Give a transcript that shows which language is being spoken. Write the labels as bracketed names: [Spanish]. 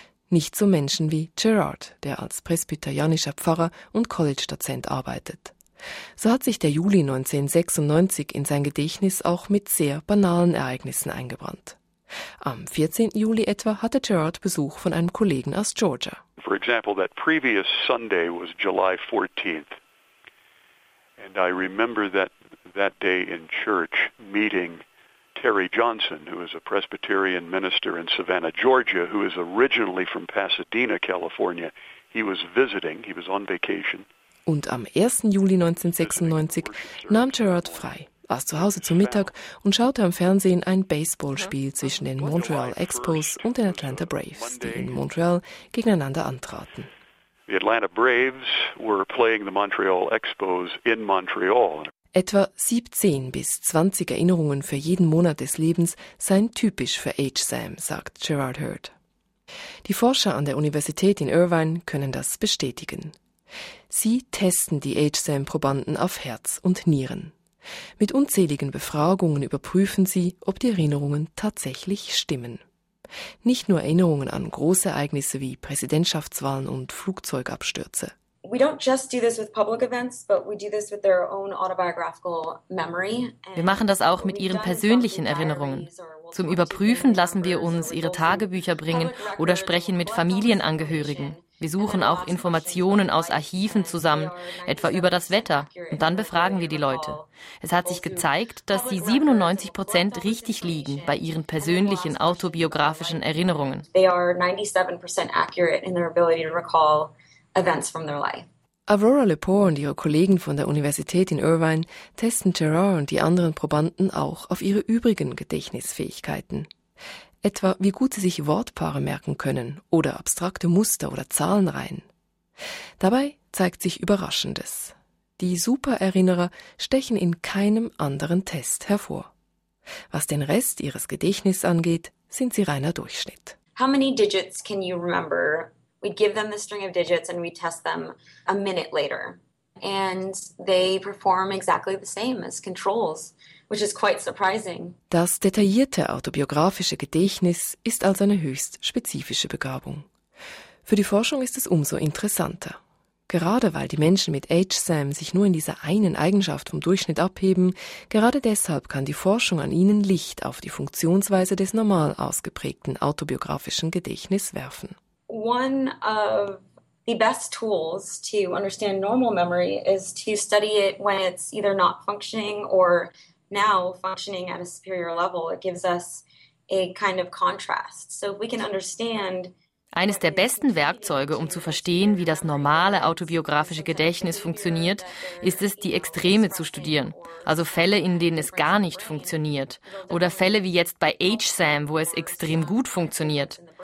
[German] Nicht so Menschen wie Gerard, der als presbyterianischer Pfarrer und College-Dozent arbeitet. So hat sich der Juli 1996 in sein Gedächtnis auch mit sehr banalen Ereignissen eingebrannt. Am 14. Juli etwa hatte Gerard Besuch von einem Kollegen aus Georgia. [English] For example, that previous Sunday was July 14th. And I remember that day in church meeting Terry Johnson, who is a Presbyterian minister in Savannah, Georgia, who is originally from Pasadena, California. He was visiting, he was on vacation. [German] Und am 1. Juli 1996 nahm Gerard frei, aß zu Hause zu Mittag und schaute am Fernsehen ein Baseballspiel zwischen den Montreal Expos und den Atlanta Braves, die in Montreal gegeneinander antraten. [English] The Atlanta Braves were playing the Montreal Expos in Montreal. [German] Etwa 17 bis 20 Erinnerungen für jeden Monat des Lebens seien typisch für Age Sam, sagt Gerard Hurd. Die Forscher an der Universität in Irvine können das bestätigen. Sie testen die Age Sam-Probanden auf Herz und Nieren. Mit unzähligen Befragungen überprüfen sie, ob die Erinnerungen tatsächlich stimmen. Nicht nur Erinnerungen an große Ereignisse wie Präsidentschaftswahlen und Flugzeugabstürze. Wir machen das auch mit ihren persönlichen Erinnerungen. Zum Überprüfen lassen wir uns ihre Tagebücher bringen oder sprechen mit Familienangehörigen. Wir suchen auch Informationen aus Archiven zusammen, etwa über das Wetter, und dann befragen wir die Leute. Es hat sich gezeigt, dass sie 97% richtig liegen bei ihren persönlichen autobiografischen Erinnerungen. [English] They are 97% accurate in their ability to recall events from their life. [German] Aurora Lepore und ihre Kollegen von der Universität in Irvine testen Gerard und die anderen Probanden auch auf ihre übrigen Gedächtnisfähigkeiten. Etwa wie gut sie sich Wortpaare merken können oder abstrakte Muster oder Zahlenreihen. Dabei zeigt sich Überraschendes. Die Supererinnerer stechen in keinem anderen Test hervor. Was den Rest ihres Gedächtnisses angeht, sind sie reiner Durchschnitt. [English] How many digits can you remember? We give them the string of digits and we test them a minute later. And they perform exactly the same as controls, which is quite surprising. [German] Das detaillierte autobiografische Gedächtnis ist also eine höchst spezifische Begabung. Für die Forschung ist es umso interessanter. Gerade weil die Menschen mit HSAM sich nur in dieser einen Eigenschaft vom Durchschnitt abheben, gerade deshalb kann die Forschung an ihnen Licht auf die Funktionsweise des normal ausgeprägten autobiografischen Gedächtnisses werfen. [English] One of the best tools to understand normal memory is to study it when it's either not functioning or now functioning at a superior level. It gives us a kind of contrast. So if we can understand. [German] Eines der besten Werkzeuge, um zu verstehen, wie das normale autobiografische Gedächtnis funktioniert, ist es, die Extreme zu studieren. Also Fälle, in denen es gar nicht funktioniert. Oder Fälle wie jetzt bei HSAM, wo es extrem gut funktioniert.